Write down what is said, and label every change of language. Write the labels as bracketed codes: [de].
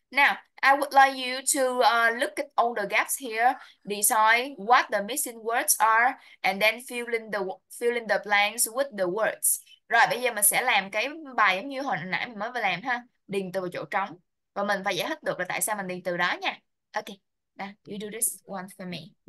[en] Now, I would like you to look at all the gaps here, decide what the missing words are, and then fill in the blanks with the words. [vi] Rồi, bây giờ mình sẽ làm cái bài giống như hồi nãy mình mới vừa làm ha. Điền từ vào chỗ trống. Và mình phải giải thích được là tại sao mình điền từ đó nha. [en] Ok, now, you do this one for me.